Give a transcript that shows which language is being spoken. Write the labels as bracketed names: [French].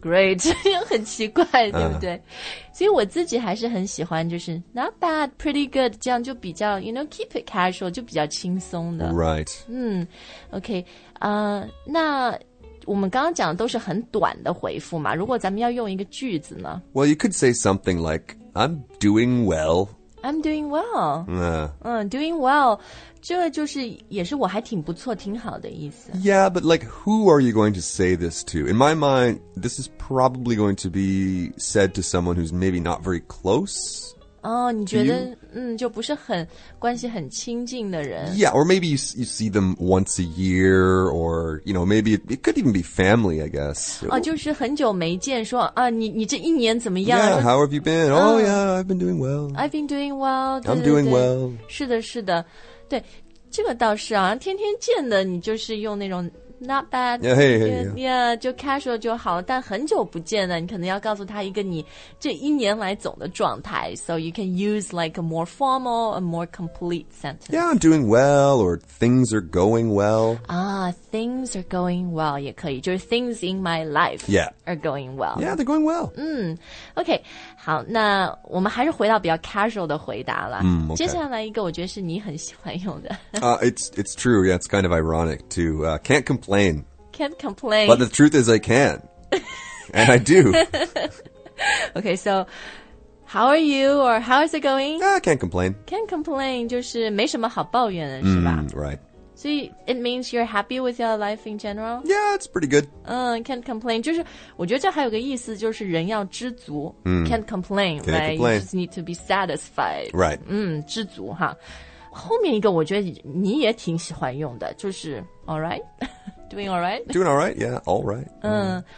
[English] great [Chinese] 很奇怪对不对所以我自己还是很喜欢就是 [English] not bad pretty good [Chinese] 这样就比较 [English] you know keep it casual [Chinese] 就比较轻松的 [English] right [Chinese] OK 那我们刚刚讲的都是很短的回复嘛如果咱们要用一个句子呢 [English] Well, you could say something like, I'm doing well. I'm doing well. Doing well, [Chinese] 这就是也是我还挺不错挺好的意思。 [English] Yeah, but like, who are you going to say this to? In my mind, this is probably going to be said to someone who's maybe not very close. [Chinese] Oh, 你觉得就不是很关系很亲近的人 [English] Yeah, or maybe you see them once a year, or, you know, maybe it could even be family, I guess. [Chinese] 就是很久没见说你这一年怎么样 [English] Yeah, how have you been? Oh, yeah, I've been doing well. I've been doing well. I'm [Chinese] 对对对 [English] doing well. [Chinese] 是的是的。对这个倒是啊天天见的你就是用那种 [English] not bad. Yeah, hey, hey, yeah, [Chinese] yeah. Yeah, 就 casual 就好了。但很久不见了，你可能要告诉他一个你这一年来总的状态。 [English] So you can use like a more formal, a more complete sentence. Yeah, I'm doing well or things are going well. Ah, things are going well [Chinese] 也可以。就是 [English] things in my life are going well. Yeah, they're going well. [Chinese] OK, 好，那我们还是回到比较 casual 的回答了。 [English] Okay. [Chinese] 接下来一个我觉得是你很喜欢用的。 [English] It's true, yeah, it's kind of ironic too. Can't complain. But the truth is I can. And I do. Okay, so how are you or how is it going? Can't complain. [Chinese] 就是没什么好抱怨的是吧？ [English] Right. So it means you're happy with your life in general? Yeah, it's pretty good. Can't complain. [Chinese] 就是我觉得这还有个意思就是人要知足。 [English] Can't complain. You just need to be satisfied. Right. [Chinese] 知足哈。后面一个我觉得你也挺喜欢用的就是 [English] all right? Doing all right? Yeah, all right.